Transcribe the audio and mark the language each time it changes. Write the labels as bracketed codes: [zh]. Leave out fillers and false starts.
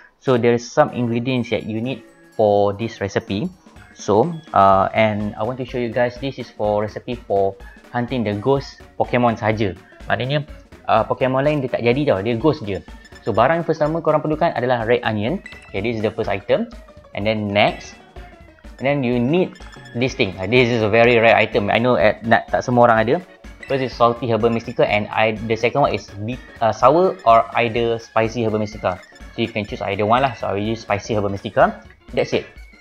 [en] So there's some ingredients that you need for this recipe. So, and I want to show you guys, this is for recipe for hunting the ghost Pokemon [ms] sahaja. Maknanya, Pokemon lain dia tak jadi tau, dia ghost je. So, barang yang pertama korang perlukan adalah [en] red onion. Okay, this is the first item. And then next, and then you need this thing. This is a very rare item. I know [ms] tak semua orang ada. [en] First is salty herbal mystical, and the second one is sour or either spicy herbal mystical. So, you can choose either one lah. So, I will use spicy herbal mystical. That's it.